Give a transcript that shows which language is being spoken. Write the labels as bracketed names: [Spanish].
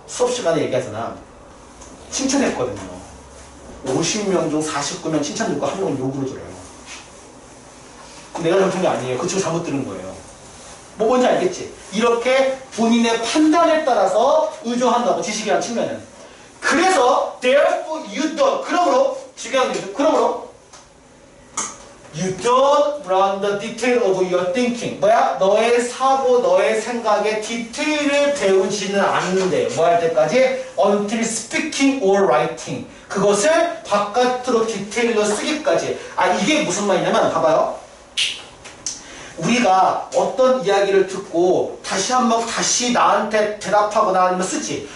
[Korean] 수업시간에 얘기하잖아. 칭찬했거든요. 50명 중 49명 칭찬 듣고 한 명은 욕으로 들어요. 내가 잘못한 게 아니에요. 그 친구 잘못 들은 거예요. 뭐 뭔지 알겠지? 이렇게 본인의 판단에 따라서 의존한다고, 지식이란 측면은. 그래서 [English] therefore you don't. [Korean] 그러므로 중요한 게 있어요. 그러므로 [English] You don't run the detail of your thinking. [Korean] 뭐야? 너의 사고, 너의 생각의 디테일을 배우지는 않는데 뭐 할 때까지? [English] Until speaking or writing. [Korean] 그것을 바깥으로 디테일로 쓰기까지. 아, 이게 무슨 말이냐면 봐봐요. 우리가 어떤 이야기를 듣고 다시 한번 다시 나한테 대답하거나 아니면 쓰지.